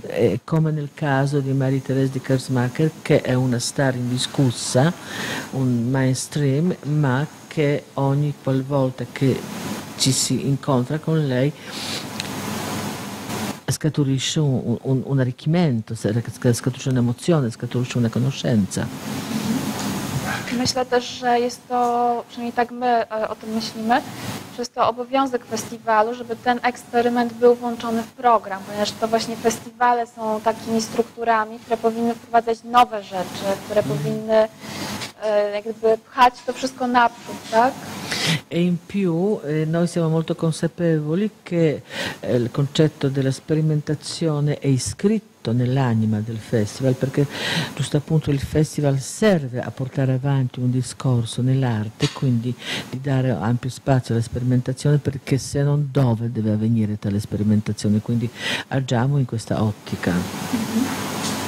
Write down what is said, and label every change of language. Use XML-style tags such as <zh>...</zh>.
<it>E come nel caso di Marie-Thérèse de Kersmacher, che è una star indiscussa, un mainstream, ma che ogni qualvolta che ci si incontra con lei scaturisce un arricchimento, scaturisce un'emozione, scaturisce una conoscenza.</it> <pl>Myślę też, że jest to, przynajmniej tak my o tym myślimy, przez to obowiązek festiwalu, żeby ten eksperyment był włączony w program, ponieważ to właśnie festiwale są takimi strukturami, które powinny wprowadzać nowe rzeczy, które powinny jakby pchać to wszystko naprzód, tak?</pl> <it>E in più noi siamo molto consapevoli che il concetto della sperimentazione è iscritto nell'anima del festival, perché giusto appunto il festival serve a portare avanti un discorso nell'arte, quindi di dare ampio spazio alla sperimentazione, perché se non dove deve avvenire tale sperimentazione, quindi agiamo in questa ottica.</it>